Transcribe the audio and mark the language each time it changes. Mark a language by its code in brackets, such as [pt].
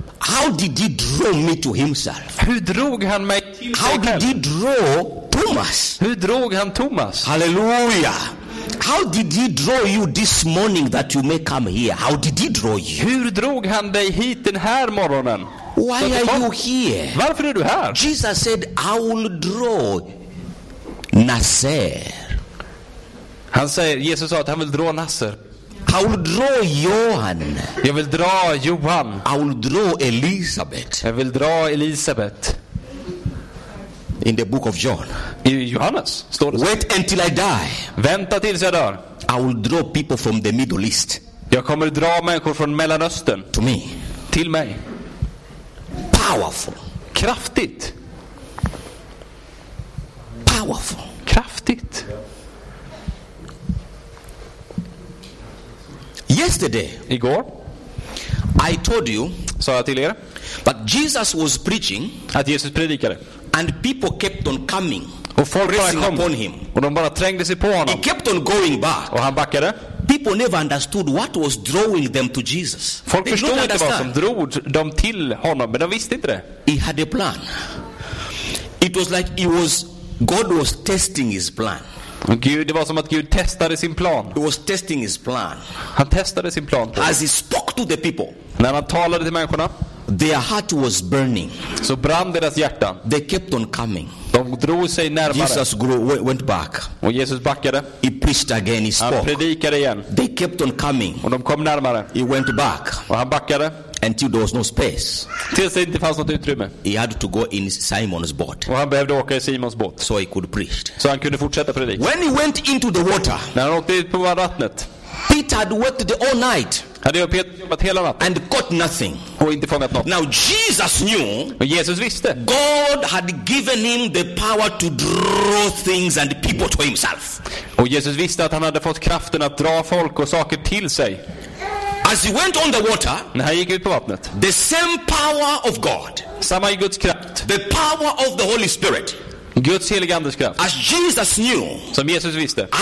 [en] How did he draw me to himself? [sv] Hur drog han mig till sig [en] How [sv] själv? [en] Did he draw Thomas? [sv] Hur drog han Thomas? Halleluja. [en] How did he draw you this morning that you may come here? How did he draw you? [sv] Hur drog han dig hit den här morgonen? [en] Why are you here? [sv] Varför är du här? [en] Jesus said I will draw Nasser. [sv] Han säger, Jesus sa att han vill dra Nasser. [en] I will draw Johan. [sv] Jag vill dra Johan. [en] I will draw Elisabeth. [sv] Jag vill dra Elisabeth. [en] In the book of John. [sv] I Johannes står det. [en] Wait until I die. [sv] Vänta tills jag dör. [en] I will draw people from the Middle East. [sv] Jag kommer dra människor från Mellanöstern. [en] To me. [sv] Till mig. [en] Powerful. [sv] Kraftigt. [en] Powerful. [sv] Kraftigt. [en] Yesterday, [sv] igår, [en] I told you, [sv] sa jag till er, [en] but Jesus was preaching, [sv] att Jesus predikade, [en] and people kept on coming, [sv] och folk bara kom, [en] upon him. [sv] Och de bara trängde sig på honom. [en] He kept on going back, [sv] och han backade. [en] People never understood what was drawing them to Jesus. [sv] Folk [en] they [sv] förstod inte [en] understand. [sv] Vad som drog dem till honom, men de visste inte det. [en] He had a plan. It was like he was God was testing his plan. [sv] Gud, det var som att Gud testade sin plan. [en] He was testing his plan. [sv] Han testade sin plan. [en] As he spoke to the people. [sv] När han talade till människorna. [en] Their heart was burning. [sv] Så brann deras hjärtan. [en] They kept on coming. [sv] De drog sig närmare. [en] Jesus went back. [sv] Och Jesus backade. [en] He preached again. He spoke. [sv] Han predikade igen. [en] They kept on coming. [sv] Och de kom närmare. [en] He went back. [sv] Och han backade. [en] Until there was no space. [sv] Tills det inte fanns något utrymme. [en] He had to go in Simon's boat. [sv] Och han behövde åka i Simons båt. [en] So he could preach. [sv] Så han kunde fortsätta predika. [en] When he went into the water. [sv] När han åkte ut på vattnet. [en] Peter had worked the all night. [sv] Hade Peter jobbat hela natten. [en] And got nothing. [sv] Och inte fångat något. [en] Now Jesus knew. [sv] Och Jesus visste. [en] God had given him the power to draw things and people to himself. [sv] Och Jesus visste att han hade fått kraften att dra folk och saker till sig. [en] As he went on the water, [sv] när han gick ut på vattnet, [en] the same power of God, [sv] samma Guds kraft, [en] the power of the Holy Spirit, [sv] Guds heliga andes kraft, [en] as Jesus knew, [sv] som Jesus visste,